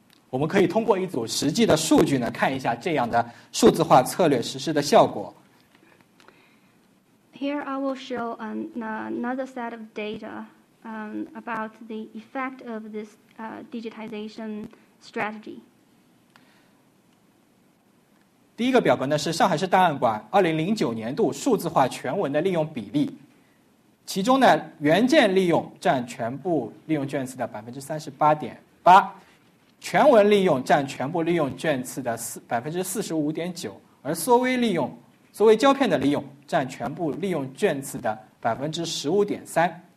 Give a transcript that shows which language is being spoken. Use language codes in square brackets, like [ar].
[zh] 我们可以通过一组实际的数据呢，看一下这样的数字化策略实施的效果。 [en] Here I will show another set of data about the effect of this digitization strategy. [zh] 第一个表格呢是上海市档案馆2009年度数字化全文的利用比例，其中呢原件利用占全部利用卷次的 38.8%， 全文利用占全部利用卷次的 45.9%， 而缩微胶片的利用占全部利用卷次的 15.3%。